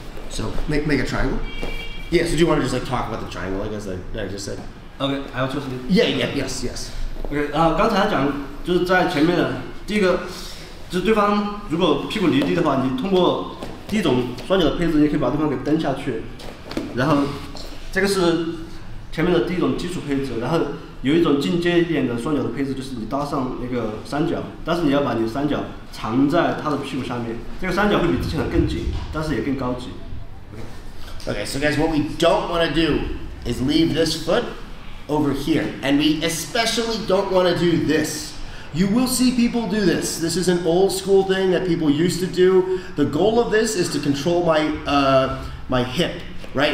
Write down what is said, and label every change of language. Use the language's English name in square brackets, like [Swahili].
[English] So, make a triangle? Yeah, so do you want to just like talk about the triangle, I guess, that I just said? Okay, I will choose you. Yes. [Chinese] Okay, 刚才讲就是在前面的第一个，就是对方如果屁股离地的话，你通过第一种双脚的配置，你可以把对方给蹬下去。然后这个是前面的第一种基础配置，然后有一种进阶一点的双脚的配置，就是你搭上那个三角，但是你要把你的三角藏在他的屁股下面，这个三角会比之前的更紧，但是也更高级。 [English] Okay, so guys, what we don't want to do is leave this foot over here. And we especially don't want to do this. You will see people do this. This is an old school thing that people used to do. The goal of this is to control my hip, right?